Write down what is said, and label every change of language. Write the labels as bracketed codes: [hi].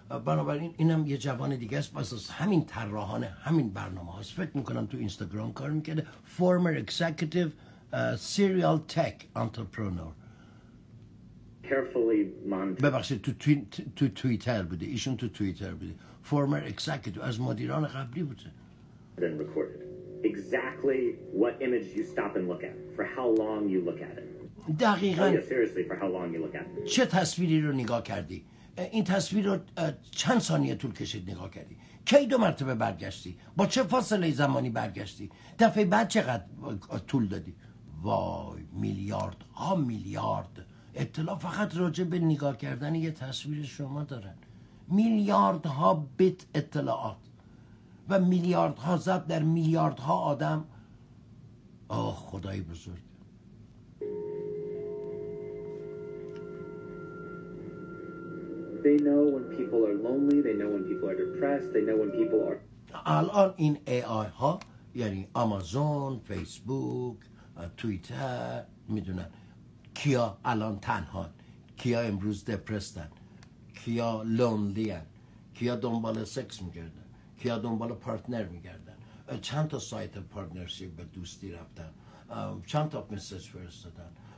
[fa] بنابراین اینم یه جوان دیگه است، بس از همین طراحان همین برنامه هست، فکر میکنم تو اینستاگرام کار میکرده، [en] former executive serial tech entrepreneur. Carefully monitored. [fa] ببخشید تو توییتر بوده، ایشون تو توییتر بوده، [en] former executive، [fa] از مدیران قبلی بوده. [en] Then recorded exactly what image you stop and look at, for how long you look at it. [fa] دقیقاً. [en] Oh, yeah, seriously, for how long you look at it. [fa] چه تصویری رو نگاه کردی؟ این تصویر رو چند ثانیه طول کشید نگاه کردی؟ کی دو مرتبه برگشتی؟ با چه فاصله زمانی برگشتی؟ دفعه بعد چقدر طول دادی؟ وای، میلیارد ها میلیارد اطلاع فقط راجع به نگاه کردن یه تصویر شما دارن، میلیارد ها بیت اطلاعات و میلیارد ها زب در میلیارد ها آدم. آه خدای بزرگ. [en] They know when people are lonely, they know when people are depressed, they know when people are... [fa] الان این AI ها یعنی آمازون، فیسبوک، تویتر میدونن کیا الان تنهان، کیا امروز دپرستن، کیا لونلی هن، کیا دنبال سکس میگردن، کیا دنبال پارتنر میگردن، چند تا سایت پارتنرشیپ به دوستی رفتن، چند تا مسیج فرستادن.